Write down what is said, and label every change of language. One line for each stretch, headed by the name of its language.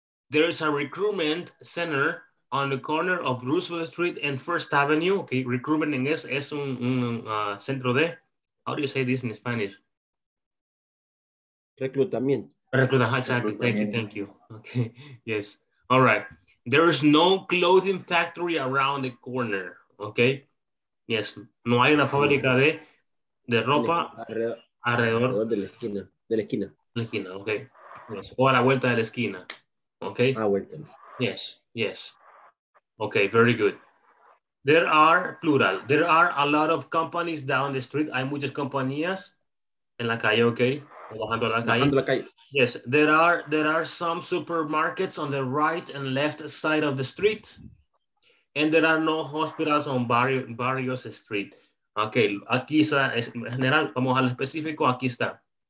English: There's a recruitment center on the corner of Roosevelt Street and First Avenue.
Spanish: Okay, recruitment en inglés es un centro de.
English: How do you say this in Spanish?
Spanish: Reclutamiento.
English: Reclutamiento. Exactly. Thank you. Okay, yes. All right. There's no clothing factory around the corner.
Spanish: Okay, yes. No hay una fábrica de ropa alrededor de la esquina. De la esquina. La esquina, okay. Yes. O a la vuelta de la esquina. Okay. A vuelta.
English: Yes, yes. Okay, very good. There are, plural, there are a lot of companies down the street.
Spanish: Hay muchas compañías en la calle, okay? Bajando la calle. Bajando la calle.
English: Yes, there are some supermarkets on the right and left side of the street. And there are no hospitals on various street.
Spanish: Okay, aquí está, en general, vamos al específico, aquí está.